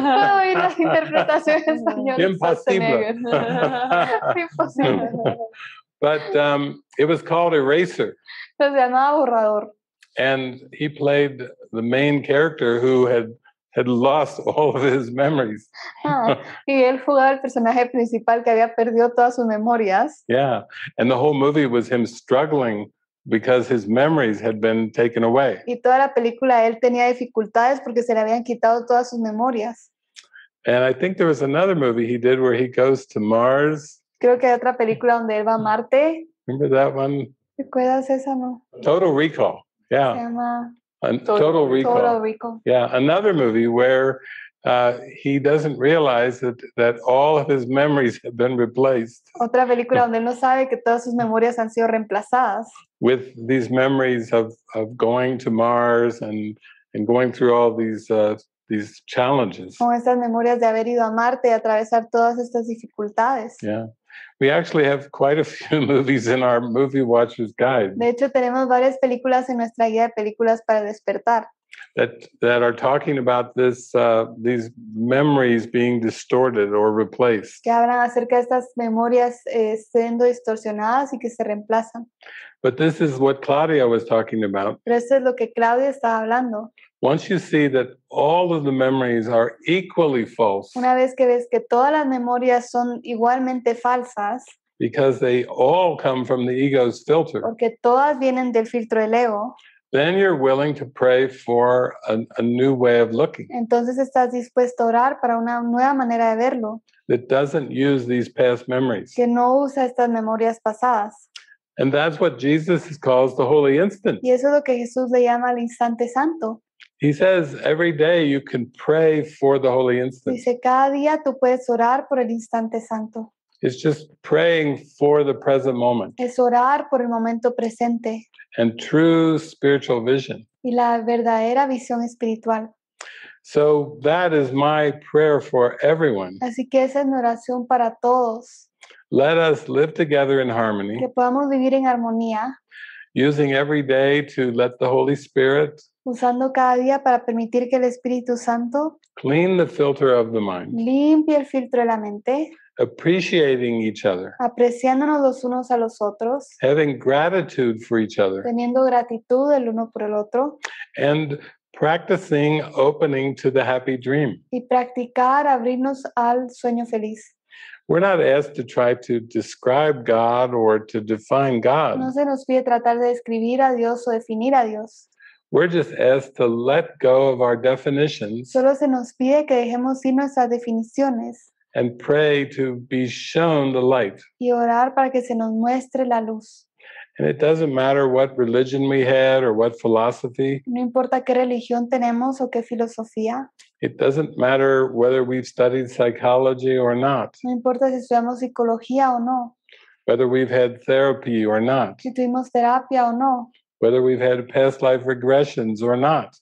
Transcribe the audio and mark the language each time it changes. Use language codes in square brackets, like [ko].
[es] Puedo oír las interpretaciones en español. Imposible. Imposible. [en] But it was called Eraser. [es] Se llamaba Borrador. [en] And he played the main character who had lost all of his memories. [es] Ah, y él jugaba el personaje principal que había perdido todas sus memorias. [en] Yeah, and the whole movie was him struggling because his memories had been taken away. [es] Y toda la película él tenía dificultades porque se le habían quitado todas sus memorias. [en] And I think there was another movie he did where he goes to Mars. [es] Creo que hay otra película donde él va a Marte. [en] Remember that one? [es] ¿Recuerdas esa, no? [en] Total Recall. Yeah. [es] Se llama [en] Total Recall. Yeah, another movie where he doesn't realize that all of his memories have been replaced. [es] Otra película donde él no sabe que todas sus memorias han sido reemplazadas. [en] With these memories of going to Mars and going through all these challenges. [es] Con esas memorias de haber ido a Marte y atravesar todas estas dificultades. [en] Yeah. We actually have quite a few movies in our movie watcher's guide. [es] De hecho, tenemos varias películas en nuestra guía de películas para despertar. [en] That are talking about this these memories being distorted or replaced. [es] Que hablan acerca de estas memorias siendo distorsionadas y que se reemplazan. [en] But this is what Claudia was talking about. [es] Pero esto es lo que Claudia estaba hablando. [en] Once you see that all of the memories are equally false. [es] Una vez que ves que todas las memorias son igualmente falsas. [en] Because they all come from the ego's filter. [es] Porque todas vienen del filtro del ego. [en] Then you're willing to pray for a new way of looking. [es] Entonces estás dispuesto a orar para una nueva manera de verlo. [en] That doesn't use these past memories. [es] Que no usa estas memorias pasadas. [en] And that's what Jesus calls the holy instant. [es] Y eso es lo que Jesús le llama el instante santo. [en] He says every day you can pray for the holy instant. [es] Dice cada día tú puedes orar por el instante santo. [en] It's just praying for the present moment. [es] Es orar por el momento presente. [en] And true spiritual vision. [es] Y la verdadera visión espiritual. [en] So that is my prayer for everyone. [es] Así que esa es mi oración para todos. [en] Let us live together in harmony. [es] Que podamos vivir en armonía. [en] Using every day to let the Holy Spirit. [es] Usando cada día para permitir que el Espíritu Santo [en] clean the filter of the mind. [es] Limpie el filtro de la mente. [en] Appreciating each other. [es] Apreciándonos los unos a los otros. [en] Having gratitude for each other. [es] Teniendo gratitud el uno por el otro. [en] And practicing opening to the happy dream. [es] Y practicar abrirnos al sueño feliz. [en] We're not asked to try to describe God or to define God. [es] No se nos pide tratar de describir a Dios o definir a Dios. [en] We're just asked to let go of our definitions. [es] Solo se nos pide que dejemos ir nuestras definiciones. [en] And pray to be shown the light. [es] Y orar para que se nos muestre la luz. [en] And it doesn't matter what religion we had or what philosophy. [es] No importa qué religión tenemos o qué filosofía. [en] It doesn't matter whether we've studied psychology or not. [es] No importa si estudiamos psicología o no. [en] Whether we've had therapy or not. [es] Si tuvimos terapia o no. [en] Whether we've had past life regressions or not.